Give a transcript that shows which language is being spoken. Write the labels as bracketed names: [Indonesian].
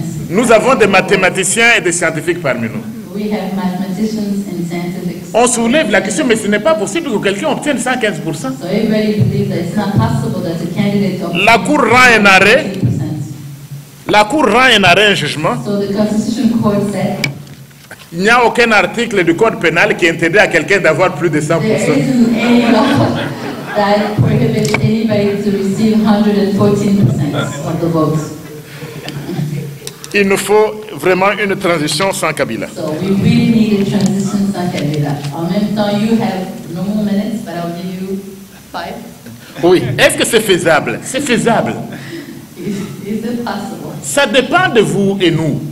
[French] Nous avons des mathématiciens et des scientifiques parmi nous. [English] We have mathematicians and scientists. [French] On soulève la question, mais ce n'est pas possible que quelqu'un obtienne 115%. [English] So everybody believes that it's not possible that a candidate obtains. [French] La cour rend un arrêt. La Cour rend un arrêt, un jugement. [English] So the Constitution Court said, [French] il n'y a aucun article du Code pénal qui interdit à quelqu'un d'avoir plus de 100%. [English] There isn't any law that prohibits anybody to receive 114% of the vote. [French] Il nous faut vraiment une transition sans Kabila. [English] So we really need a transition sans Kabila. [French] En même temps, [English] you have no more minutes, but I'll give you five. [French] Oui. Est-ce que c'est faisable? C'est faisable. [English] Is it possible? [French] Ça dépend de vous et nous.